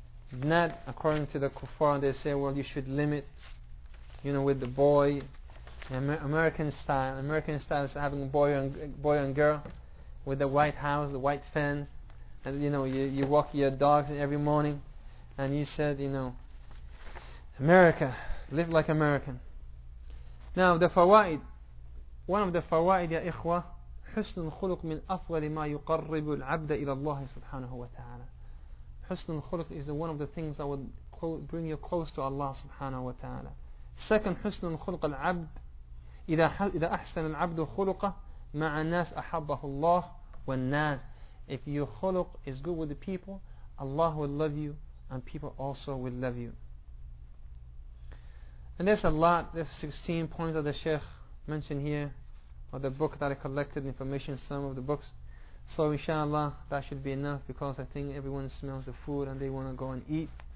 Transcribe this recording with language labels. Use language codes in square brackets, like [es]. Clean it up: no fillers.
[en] Not according to the kuffar, they say, well, you should limit, you know, with the boy, American style is having boy and girl with the white house, the white fence, and you know, you walk your dogs every morning. And he said, you know, America, live like American. Now the fawaid, one of the fawaid, [ar] ya ikhwa, حسن الخلق من أفضل ما يقرب العبد إلى الله سبحانه وتعالى. [en] حسن الخلق is one of the things that would bring you close to Allah سبحانه وتعالى. Second, [ar] حسن الخلق العبد إذا أحسن العبد خلقه مع الناس أحبه الله والناس. [en] If your خلق is good with the people, Allah will love you and people also will love you. And there's a lot, there's 16 points that the Shaykh mentioned here, or the book that I collected information, some of the books. So inshallah, that should be enough, because I think everyone smells the food and they want to go and eat.